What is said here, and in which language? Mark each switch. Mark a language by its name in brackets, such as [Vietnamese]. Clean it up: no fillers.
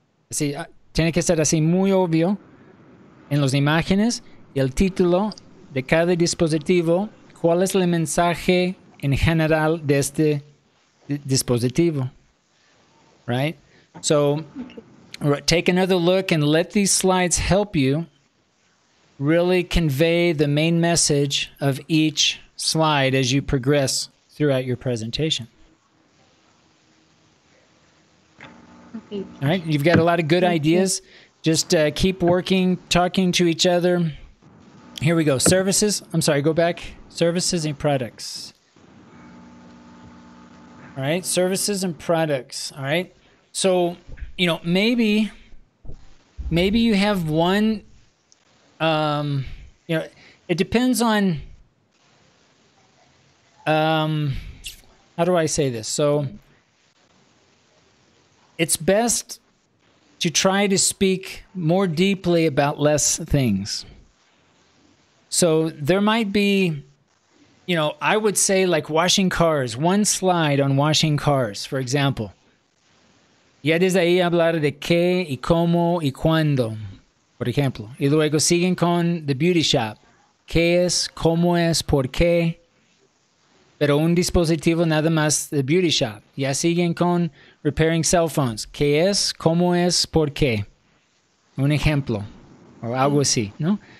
[Spanish] Así, tiene que ser así muy obvio en las imágenes y el título de cada dispositivo, ¿cuál es el mensaje en general de este dispositivo? [English] Right? So, okay. Take another look and let these slides help you really convey the main message of each slide as you progress throughout your presentation. Okay. All right, you've got a lot of good ideas. Just keep working, talking to each other. Here we go. Services. I'm sorry, go back. Services and products. All right, services and products. All right. So, you know, maybe you have one, you know, it depends on, how do I say this? So it's best to try to speak more deeply about less things. So there might be, you know, I would say like washing cars, one slide on washing cars, for example. [Spanish] Ya desde ahí hablar de qué y cómo y cuándo, por ejemplo. Y luego siguen con [English] the beauty shop. [Spanish] ¿Qué es? ¿Cómo es? ¿Por qué? Pero un dispositivo nada más [English] the beauty shop. [Spanish] Ya siguen con [English] repairing cell phones. [Spanish] ¿Qué es? ¿Cómo es? ¿Por qué? Un ejemplo. O algo así, ¿no?